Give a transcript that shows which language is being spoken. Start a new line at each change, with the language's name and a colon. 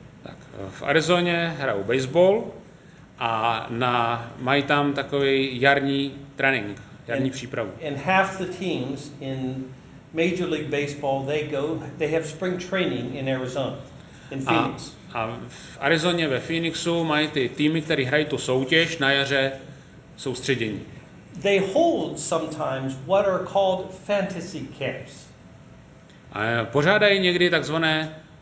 Czech: Tak, v Arizoně hrajou baseball a mají tam takový jarní trénink, jarní přípravu.
English: And half the teams in Major League Baseball, they have spring training in Arizona, in Phoenix.
Czech: A v Arizoně ve Phoenixu mají ty týmy, které hrají tu soutěž na jaře, soustředění.
English: they hold sometimes what are called fantasy camps.
Czech: Pořádají někdy takzvané